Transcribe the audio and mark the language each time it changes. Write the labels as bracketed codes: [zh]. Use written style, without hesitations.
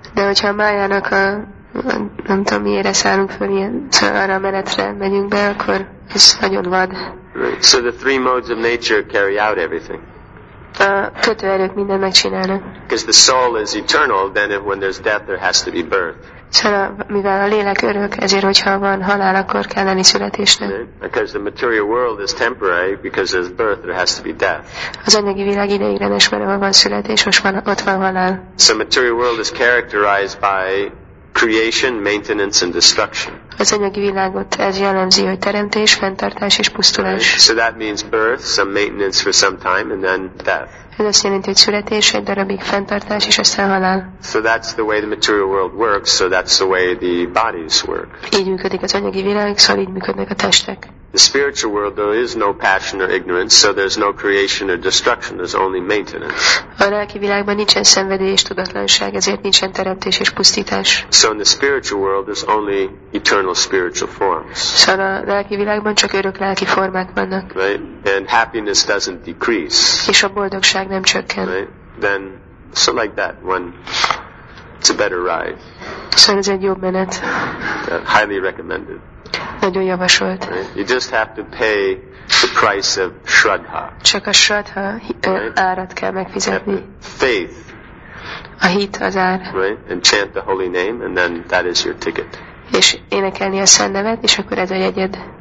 [hu] De hogyha Maya-nak a, nem tudom, miére szállunk föl, ilyen, szóval arra a menetre megyünk be, akkor ez nagyon vad. [en] Right. So the three modes of nature carry out everything. [hu] A kötőerők minden megcsinálnak. [en] Because the soul is eternal, then if, when there's death, there has to be birth. [hu] Szóval, mivel a lélek örök, ezért, hogyha van halál, akkor kell lenni születésnek. [en] Because the material world is temporary, because there's birth, there has to be death. [hu] Az anyagi világ ideiglenes, mert ahol van születés, most van, ott van halál. [en] So material world is characterized by creation, maintenance and destruction. [hu] Az anyagi világot ez jellemzi, hogy teremtés, fenntartás és pusztulás. [en] Right. So that means birth, some maintenance for some time and then death. [hu] Ez azt jelenti, hogy születés, egy darabig fenntartás és aztán halál. [en] So that's the way the material world works, so that's the way the bodies work. [hu] Így működik az anyagi világ, szóval így működnek a testek. [en] The spiritual world, there is no passion or ignorance, so there's no creation or destruction, there's only maintenance. [hu] A lelki világban nincsen szenvedély és tudatlanság, ezért nincsen teremtés és pusztítás. [en] So in the spiritual world, there's only eternal spiritual forms. [hu] A lelki világban csak örök lelki formák vannak. [en] Right? And happiness doesn't decrease. [hu] És a boldogság nem csökken. [en] Right? Then, so like that, when it's a better ride. [hu] Szóval ez egy jobb menet. [en] Highly recommended. [hu] Nagyon javasolt. [en] Right? You just have to pay the price of Shraddha. [hu] Csak a Shraddha right? Árat kell megfizetni. [en] Faith. [hu] A hit az ár. [en] Right? And chant the holy name, and then that is your ticket. [hu] És énekelni a szent nevet, és akkor ez a jegyed.